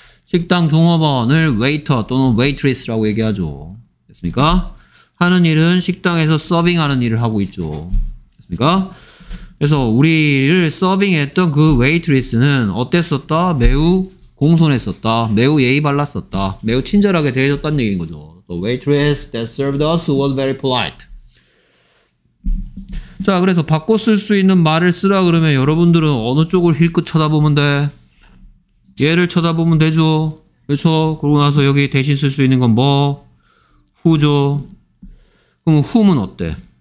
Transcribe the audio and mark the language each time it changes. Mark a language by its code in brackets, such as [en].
[ko] 식당 종업원을 웨이터 또는 웨이트리스라고 얘기하죠. 됐습니까? 하는 일은 식당에서 서빙하는 일을 하고 있죠. 됐습니까? 그래서 우리를 서빙했던 그 웨이트리스는 어땠었다? 매우 공손했었다. 매우 예의 발랐었다. 매우 친절하게 대해줬다는 얘기인 거죠. [en] The waitress that served us was very polite. [ko] 자, 그래서 바꿔 쓸 수 있는 말을 쓰라 그러면 여러분들은 어느 쪽을 힐끗 쳐다보면 돼? 얘를 쳐다보면 되죠. 그렇죠? 그러고 나서 여기 대신 쓸 수 있는 건 뭐? who죠. 그럼 whom은 어때?